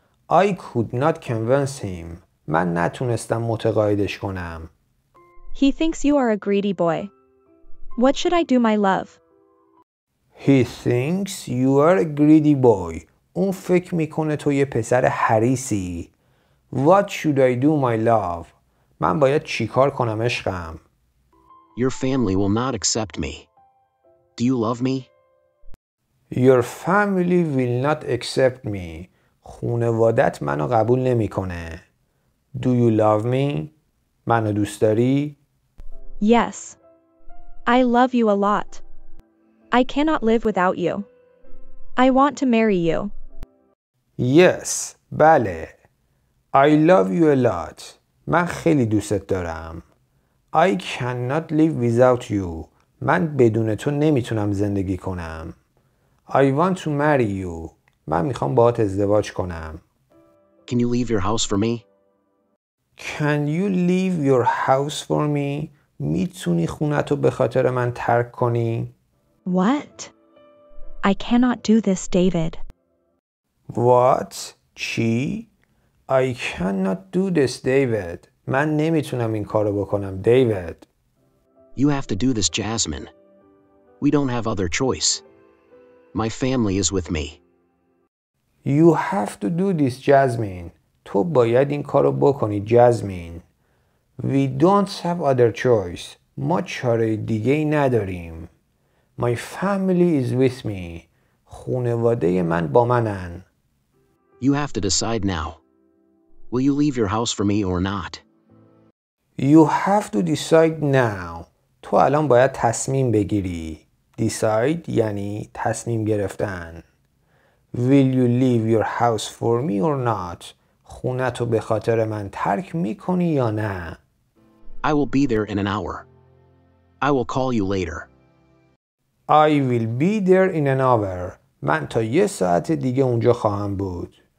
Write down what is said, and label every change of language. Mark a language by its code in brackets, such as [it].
[en] I could not convince him. [fa] من نتونستم متقاعدش کنم. [en] He thinks you are a greedy boy. What should I do, my love? He thinks you are a greedy boy. [fa] اون فکر میکنه تو یه پسر حریصی. [en] What should I do, my love? [fa] من باید چیکار کنم عشقم؟ [en] Your family will not accept me. Do you love me? Your family will not accept me. [fa] خانوادت منو قبول نمیکنه. [en] Do you love me? [fa] منو دوست داری؟ [en] Yes. I love you a lot. I cannot live without you. I want to marry you. Yes. [fa] بله. [en] I love you a lot. [fa] من خیلی دوستت دارم. [en] I cannot live without you. [fa] من بدون تو نمیتونم زندگی کنم. [en] I want to marry you. [fa] من میخوام باهات ازدواج کنم. [en] Can you leave your house for me? Can you leave your house for me? [fa] میتونی خونت رو به خاطر من ترک کنی؟ [en] What? I cannot do this, David. What? [fa] چی؟ [en] I cannot do this, David. [fa] من نمیتونم این کارو بکنم, David. [en] You have to do this, Jasmine. We don't have other choice. My family is with me. You have to do this, Jasmine. [fa] تو باید این کارو بکنی, Jasmine. [en] We don't have other choice. [fa] ما چاره دیگه ای نداریم. [en] My family is with me. [fa] خانواده من با منن. [en] You have to decide now. Will you leave your house for me or not? You have to decide now. [fa] تو الان باید تصمیم بگیری. Decide یعنی تصمیم گرفتن. [en] Will you leave your house for me or not? [fa] خونت رو به خاطر من ترک میکنی یا نه؟ [en] I will be there in an hour. I will call you later. I will be there in an hour. [fa] من تا یه ساعت دیگه اونجا خواهم بود.